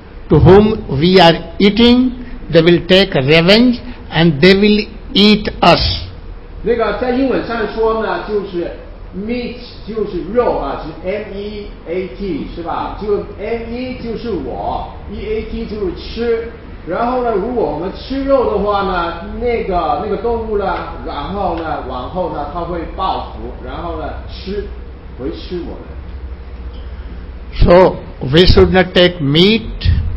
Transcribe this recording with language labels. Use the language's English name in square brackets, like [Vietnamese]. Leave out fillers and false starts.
[English] To whom we are eating, they will take revenge and they will eat us. [Chinese] 那个在英文上说呢，就是 meat 就是肉啊，是 M-E-A-T 是吧？就 M-E 就是我 ，E-A-T 就是吃。然后呢，如果我们吃肉的话呢，那个动物呢，然后呢，往后呢，它会报复，然后呢，回吃我们。 [English] So we should not take meat,